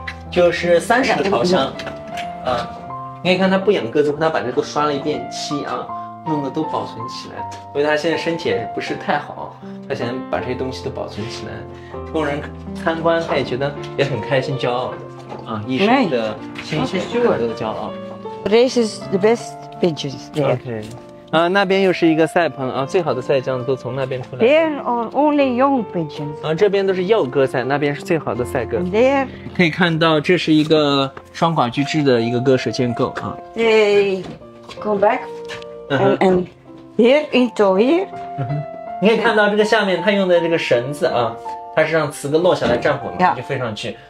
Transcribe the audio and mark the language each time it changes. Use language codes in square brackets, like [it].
[zh] 就是30的朝向。你可以看他不养鸽子，他把这都刷了一遍漆啊。弄得都保存起来，因为他现在身体也不是太好，他想把这些东西都保存起来，供人参观，他也觉得也很开心，骄傲的，一生的心血，很多的骄傲。 [en] This is the best pigeons there. Okay. [zh] 那边又是一个赛棚最好的赛将都从那边出来。 [en] There are only young pigeons. [zh] 这边都是幼鸽赛，那边是最好的赛鸽。 [en] There. [zh] 可以看到，这是一个双寡居制的一个鸽舍建构 [en] They go back. And here into here， [zh] 你可以看到这个下面，它用的这个绳子啊，它是让雌鸽落下来站稳，就飞上去。